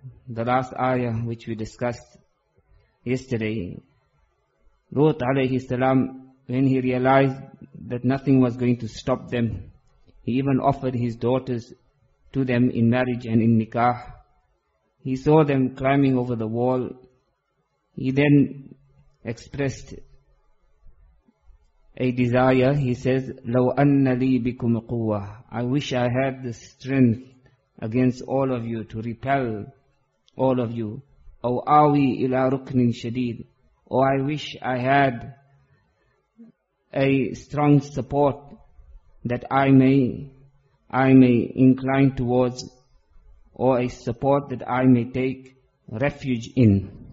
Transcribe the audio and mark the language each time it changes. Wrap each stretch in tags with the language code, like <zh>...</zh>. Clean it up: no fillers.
<en>The last ayah which we discussed yesterday, Lut alayhi salam, when he realized that nothing was going to stop them, he even offered his daughters to them in marriage and in nikah. He saw them climbing over the wall. He then expressed a desire. He says,</en> <ar>لو أن لي بكم قوة.</ar> <en>I wish I had the strength against all of you to repel all of you.</en> <ar>أو آوي إلى ركن شديد.</ar> <en>Oh, I wish I had a strong support that I may incline towards, or a support that I may take refuge in.</en>